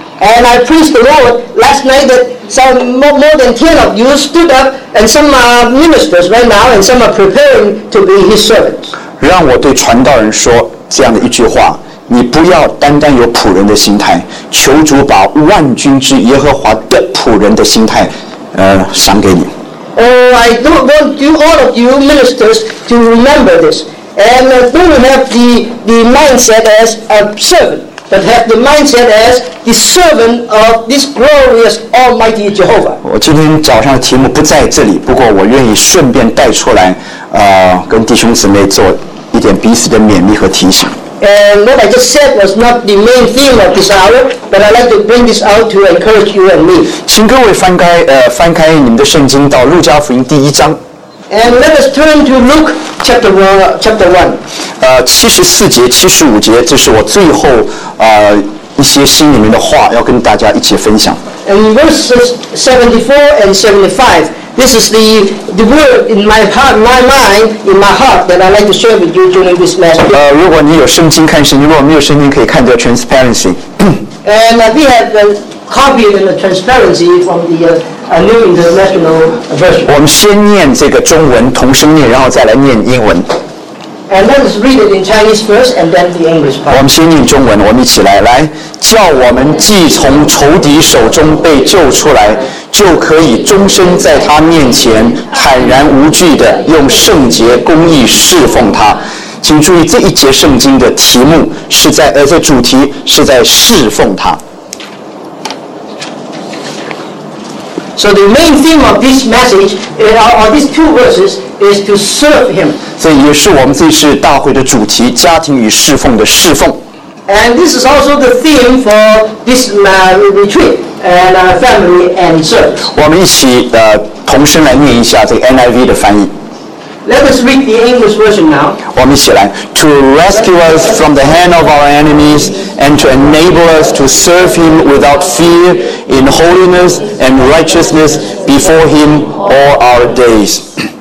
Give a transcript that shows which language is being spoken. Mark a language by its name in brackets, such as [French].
[English] And I praise the Lord last night that some more than 10 of you stood up, and some are ministers right now, and some are preparing to be His servants. [Chinese] 让我对传道人说这样的一句话，你不要单单有仆人的心态，求主把万军之耶和华的仆人的心态赏给你。 [English] Oh, I don't want you, all of you ministers to remember this. And don't have the mindset as a servant, but have the mindset as the servant of this glorious Almighty Jehovah. [Chinese] 我今天早上的题目不在这里，不过我愿意顺便带出来跟弟兄姊妹做一点彼此的勉励和提醒。 [English] And what I just said was not the main theme of this hour, but I'd like to bring this out to encourage you and me. [Chinese] 请各位翻开你们的圣经到路加福音第一章。 [English] And let us turn to Luke chapter 1. [Chinese] 74节、75节，这是我最后一些心里面的话要跟大家一起分享。 [English] And verses 74 and 75. This is the word in my heart, my mind, in my heart that I'd like to share with you during this message. [Chinese] 如果你有圣经看圣经，如果没有圣经可以看到 transparency. [English] And we have copied the transparency from the New International Version. [Chinese] 我们先念这个中文，同声念，然后再来念英文。 [English] And let us read it in Chinese first, and then the English part. [Chinese] 我们先念中文，我们一起来，来，叫我们既从仇敌手中被救出来，就可以终身在他面前坦然无惧地用圣洁公义侍奉他。请注意这一节圣经的题目是在，这主题是在侍奉他。 [English] So the main theme of this message, or these two verses, is to serve Him. [Chinese] 这也是我们这次大会的主题：家庭与侍奉的侍奉。 [English] And this is also the theme for this retreat and family and church. [Chinese] 我们一起同声来念一下这个 NIV 的翻译。 [English] Let us read the English version now. [Chinese] 我们一起来 [English] To rescue us from the hand of our enemies and to enable us to serve Him without fear in holiness and righteousness before Him all our days.